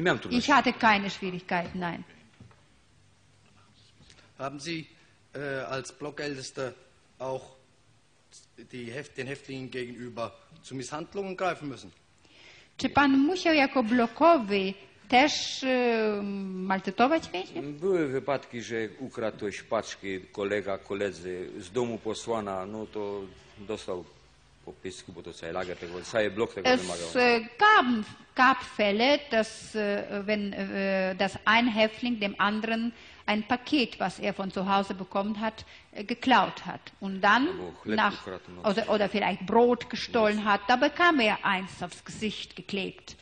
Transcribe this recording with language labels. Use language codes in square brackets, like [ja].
[de] Ich hatte keine Schwierigkeiten, nein. Haben Sie als Blockältester auch den Häftlingen gegenüber zu Misshandlungen greifen müssen? [pl] Czy pan musiał jako blokowy też maltretować więźniów? Były wypadki, że ukradł ktoś paczki, kolega, koledzy z domu posłana, no to dostał po pysku, bo to cały lager tego, cały blok tego [de] es [pl] wymagał. [de] Gab Fälle, dass wenn das ein Häftling dem anderen ein Paket, was von zu Hause bekommen hat, geklaut hat. Und dann nach, oder vielleicht Brot gestohlen hat, da bekam eins aufs Gesicht geklebt.